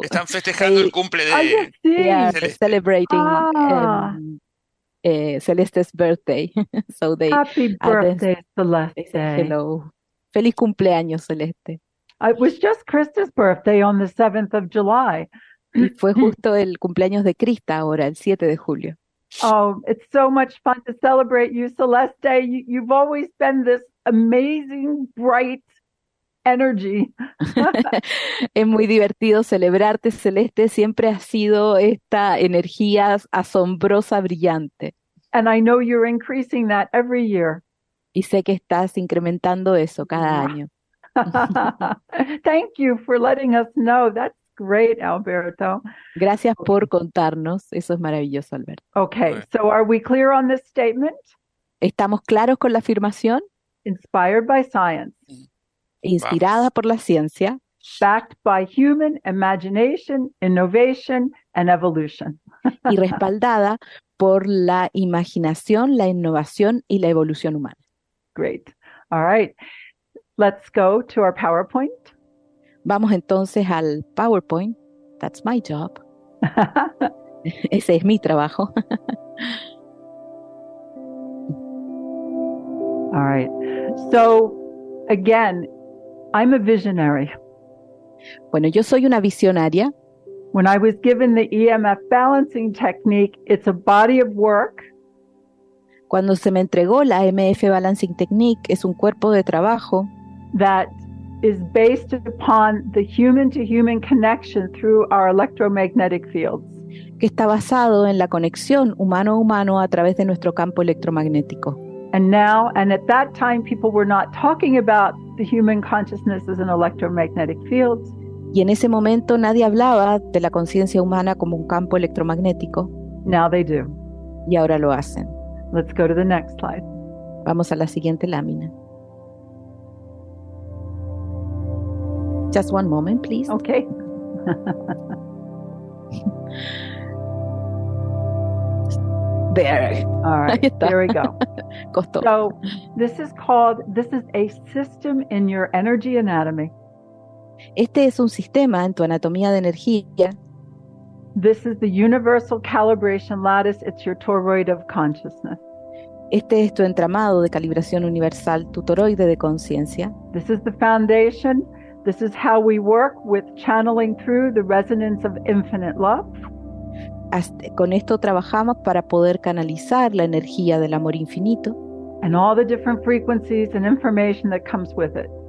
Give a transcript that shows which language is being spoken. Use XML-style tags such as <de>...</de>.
<es>están festejando el cumple de</es> <en>Celeste. Celebrating Celeste's birthday. So they happy birthday, Celeste. Say hello.</en> <es>Feliz cumpleaños, Celeste.</es> <en>It was just Krista's birthday on the 7th of July.</en> <es>Y fue justo el cumpleaños de Krista ahora, el 7 de julio.</es> <en>Oh, it's so much fun to celebrate you, Celeste. You've always been this amazing, bright energy.</en> <es>Es muy divertido celebrarte, Celeste. Siempre has sido esta energía asombrosa, brillante.</es> <en>And I know you're increasing that every year.</en> <es>Y sé que estás incrementando eso cada año.</es> <en>Thank you for letting us know. That's great, Alberto.</en> <es>Gracias por contarnos. Eso es maravilloso, Alberto.</es> <en>Okay, so are we clear on this statement?</en> <es>¿Estamos claros con la afirmación?</es> <en>Inspired by science.</en> <es>Inspirada por la ciencia.</es> <en>Backed by human imagination, innovation, and evolution.</en> <es>Y respaldada por la imaginación, la innovación y la evolución humana.</es> <en>Great. All right. Let's go to our PowerPoint.</en> <es>Vamos entonces al PowerPoint.</es> <en>That's my job.</en> <es>Ese es mi trabajo.</es> <en>All right. So, again, I'm a visionary.</en> <es>Bueno, yo soy una visionaria.</es> <en>When I was given the EMF balancing technique, it's a body of work.</en> <es>Cuando se me entregó la EMF balancing technique, es un cuerpo de trabajo.</es> <en>That is based upon the human-to-human connection through our electromagnetic fields.</en> <es>Que está basado en la conexión humano-humano a través de nuestro campo electromagnético.</es> <en>And now, and at that time, people were not talking about the human consciousness as an electromagnetic field.</en> <es>Y en ese momento nadie hablaba de la conciencia humana como un campo electromagnético.</es> <en>Now they do.</en> <es>Y ahora lo hacen.</es> <en>Let's go to the next slide.</en> <es>Vamos a la siguiente lámina.</es> <en>Just one moment, please. Okay. There. All right. There we go.</en> <es>Costó.</es> <en>So this is a system in your energy anatomy.</en> <es>Este es un sistema en tu anatomía de energía.</es> <en>This is the universal calibration lattice. It's your toroid of consciousness.</en> <es>Este es tu entramado de calibración universal, tu toroide de conciencia.</es> <en>This is the foundation. This is how we work with channeling through the resonance of infinite love.</en> <es>Con esto trabajamos para poder canalizar la energía del amor infinito.</es> <en>And all the different frequencies and information that comes with it.</en>